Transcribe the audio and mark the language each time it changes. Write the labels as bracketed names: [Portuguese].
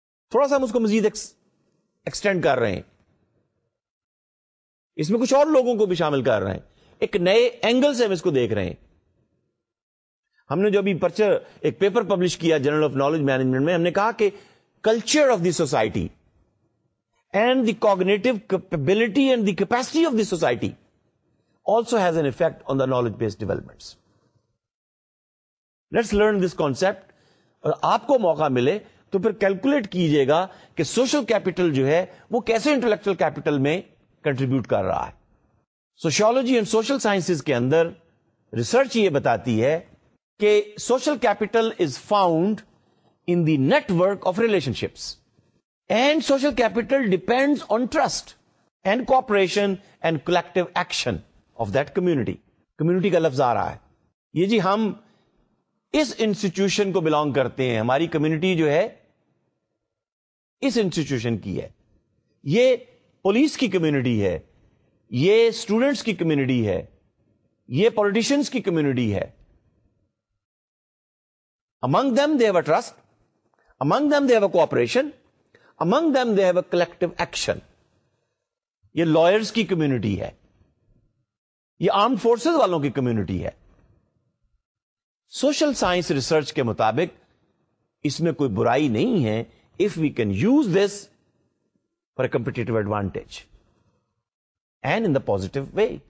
[Urdu] تھوڑا سا ہم اس کو مزید ایکسٹینڈ کر رہے ہیں, اس میں کچھ اور لوگوں کو بھی شامل کر رہے ہیں, ایک نئے اینگل سے ہم اس کو دیکھ رہے ہیں. ہم نے جو ابھی پرچر ایک پیپر پبلش کیا جرنل آف نالج مینجمنٹ میں, ہم نے کہا کہ [English] Culture of the society and the cognitive capability and the capacity of the society also has an effect on the knowledge-based developments. Let's learn this concept. [Urdu] اور آپ کو موقع ملے تو پھر کیلکولیٹ کیجیے گا کہ سوشل کیپیٹل جو ہے وہ کیسے انٹلیکچوئل کیپیٹل میں کنٹریبیوٹ کر رہا ہے. [English] sociology and social sciences [Urdu] کے اندر ریسرچ یہ بتاتی ہے کہ [English] Social capital is found in the network of relationships and social capital depends on trust and cooperation and collective action of that community. [Urdu] Community کا لفظ آ رہا ہے. یہ جی ہم اس انسٹیٹیوشن کو بلانگ کرتے ہیں, ہماری کمیونٹی جو ہے اس انسٹیٹیوشن کی ہے, یہ پولیس کی کمیونٹی ہے, یہ اسٹوڈنٹس کی کمیونٹی ہے, یہ پولیٹیشنس کی کمیونٹی ہے. [English] Among them they have a trust, among them they have a cooperation, among them they have a collective action. [Urdu] یہ لائرز کی کمیونٹی ہے, یہ آرمڈ فورسز والوں کی کمیونٹی ہے. سوشل سائنس ریسرچ کے مطابق اس میں کوئی برائی نہیں ہے [English] If we can use this for a competitive advantage and in the positive way.